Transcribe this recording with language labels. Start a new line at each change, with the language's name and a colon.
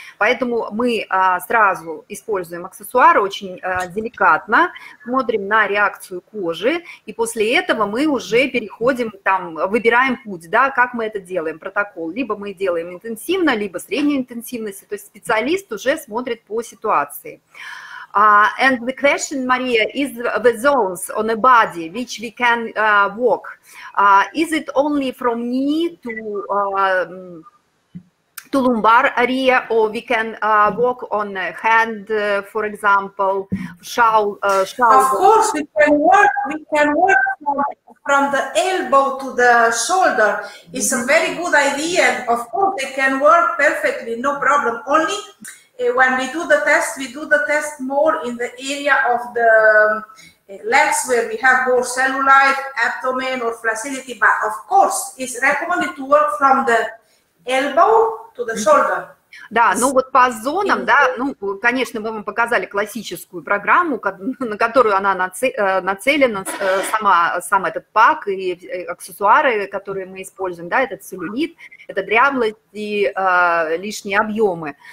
Russian: Поэтому мы сразу используем аксессуары очень деликатно, смотрим на реакцию кожи, и после этого мы уже переходим, там, выбираем путь, да, как мы это делаем, протокол. Либо мы делаем интенсивно, либо средней интенсивности, то есть специалист уже смотрит по ситуации.
English: And the question, Maria, is the zones on the body which we can walk, is it only from knee to to lumbar area, or we can walk on a hand, for example. Of course, we can work. We can work from the elbow to the shoulder. It's a very good idea. Of course, they can work perfectly, no problem. Only when we do the test more in the area of the legs, where we have more cellulite, abdomen, or flaccidity. But of course, it's recommended to work from the elbow to the shoulder.
Russian: Да, ну вот по зонам, да, ну, конечно, мы вам показали классическую программу, на которую она нацелена, сам этот пак и аксессуары, которые мы используем, да, этот целлюлит, это дряблость и лишние объемы.